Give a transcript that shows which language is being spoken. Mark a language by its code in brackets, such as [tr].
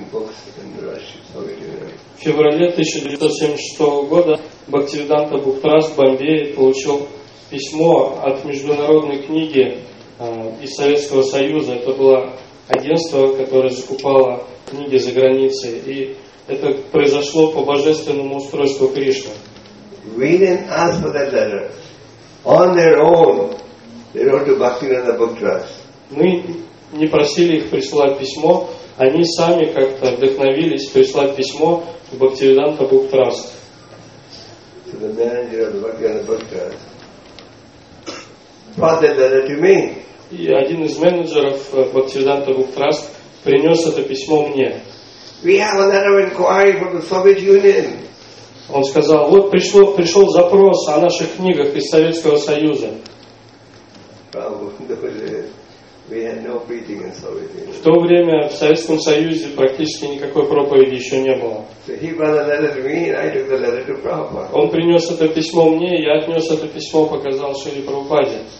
[ru] В феврале 1976 года Бхактивиданта Буктраст в Бомбее получил письмо от международной книги из Советского Союза. Это было агентство, которое закупало книги за границей. И это произошло по божественному устройству Кришны. [en] We didn't ask for that letter. On their own, they wrote to Bhaktivinoda Buktras. [ru] Мы не просили их прислать письмо. Они сами как-то вдохновились прислать письмо в Бхактивиданта Буктраст. [en] To the manager of the Bhaktivinoda Buktras. Me. [ru] И один из менеджеров Бхактивиданта Буктраст принес это письмо мне. [en] We have a letter of inquiry from the Soviet Union. [ru] Он сказал, вот пришел запрос о наших книгах из Советского Союза. [en] We had no preaching in Soviet Union. [ru] В то время в Советском Союзе практически никакой проповеди еще не было. Он принес это письмо мне, и я отнес это письмо, показал Шриле Прабхупаде.